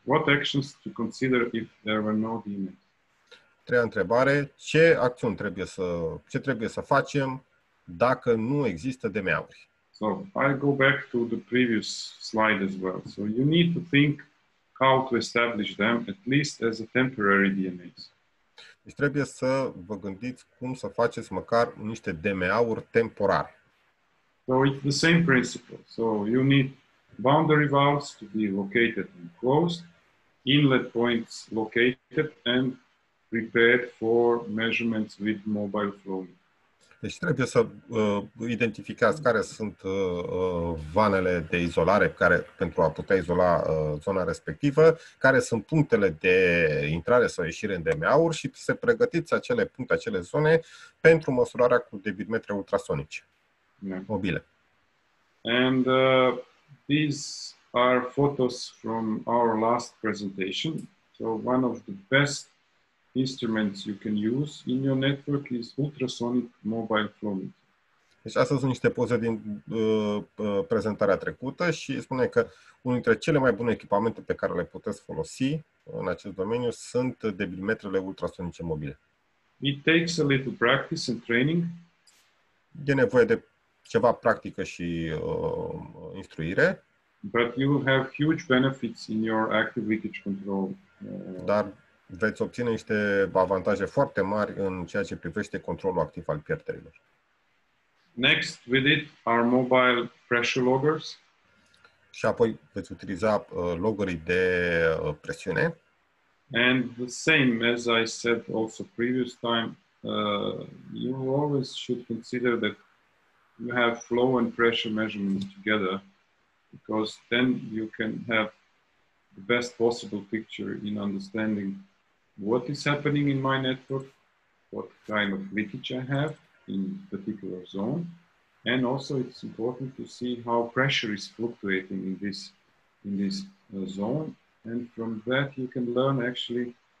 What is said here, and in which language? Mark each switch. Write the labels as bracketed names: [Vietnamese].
[English] What actions to consider if there were no DMX? [Romanian] Treia întrebare. Ce acțiuni trebuie să facem dacă nu există DMX-uri? [English] So, I go back to the previous slide as well. So, you need to think how to establish them at least as a temporary DMX. [Romanian] Deci trebuie să vă gândiți cum să faceți măcar niște DMA-uri temporare. [English] So it's the same principle. So you need boundary valves to be located and closed, inlet points located and prepared for measurements with mobile flow. [Romanian] Deci trebuie să identificați care sunt vanele de izolare care, pentru a putea izola zona respectivă, care sunt punctele de intrare sau ieșire în DMA-uri și să pregătiți acele puncte, acele zone pentru măsurarea cu debitmetre ultrasonice mobile. [English] And these are photos from our last presentation. So one of the best instruments you can use in your network is ultrasonic mobile flow meter. [Romanian] Deci astea sunt niște poze din prezentarea trecută și spune că unul dintre cele mai bune echipamente pe care le puteți folosi în acest domeniu sunt debitmetrele ultrasonice mobile. [English] It takes a little practice and training. [Romanian] E nevoie de ceva practică și instruire. [English] But you will have huge benefits in your active leakage control. [Romanian] Dar veți obține niște avantaje foarte mari în ceea ce privește controlul activ al pierderilor. [English] Next, with it are mobile pressure loggers. [Romanian] Și apoi veți utiliza loggerii de presiune. [English] And the same as I said also previous time, you always should consider that you have flow and pressure measurements together, because then you can have the best possible picture in understanding what is happening in my network, what kind of leakage I have in particular zone, and also it's important to see how pressure is fluctuating in this zone, and from that you can learn actually